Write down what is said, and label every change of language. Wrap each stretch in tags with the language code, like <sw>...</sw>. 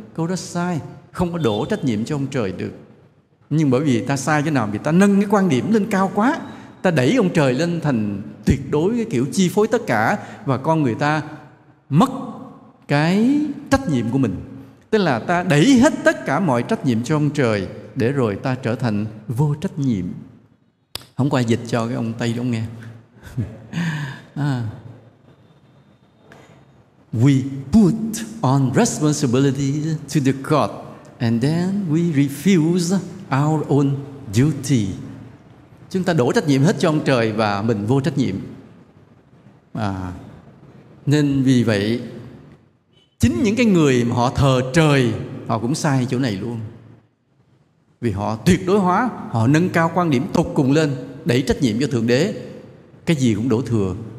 <vi>Câu đó sai, không có đổ trách nhiệm cho ông trời được. Nhưng bởi vì ta sai chỗ nào, vì ta nâng cái quan điểm lên cao quá, ta đẩy ông trời lên thành tuyệt đối, cái kiểu chi phối tất cả, và con người ta mất cái trách nhiệm của mình. Tức là ta đẩy hết tất cả mọi trách nhiệm cho ông trời, để rồi ta trở thành vô trách nhiệm. Hôm qua dịch cho cái ông Tây đó nghe.</vi> <en>We put on responsibility to the God, and then we refuse our own duty.</en> <vi>Chúng ta đổ trách nhiệm hết cho ông trời và mình vô trách nhiệm. Nên vì vậy, chính những cái người mà họ thờ trời, họ cũng sai chỗ này luôn. Vì họ tuyệt đối hóa, họ nâng cao quan điểm tột cùng lên, đẩy trách nhiệm cho Thượng Đế, cái gì cũng đổ thừa.</vi>